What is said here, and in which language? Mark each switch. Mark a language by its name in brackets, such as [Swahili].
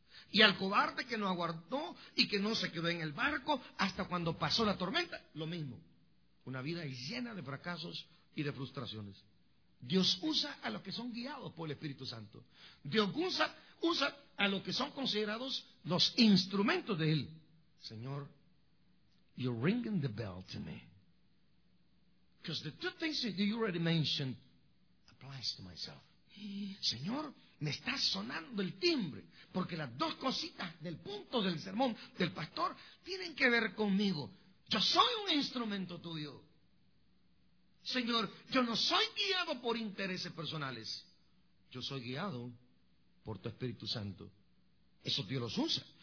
[Spanish] Y al cobarde que no aguardó y que no se quedó en el barco hasta cuando pasó la tormenta, lo mismo. Una vida llena de fracasos y de frustraciones. Dios usa a los que son guiados por el Espíritu Santo. Dios usa a los que son considerados los instrumentos de Él. [English] Señor, you're ringing the bell to me. Because the two things that you already mentioned applies to myself. [Spanish] Señor, me está sonando el timbre, porque las dos cositas del punto del sermón del pastor tienen que ver conmigo. Yo soy un instrumento tuyo. Señor, yo no soy guiado por intereses personales. Yo soy guiado por tu Espíritu Santo. Eso Dios los usa.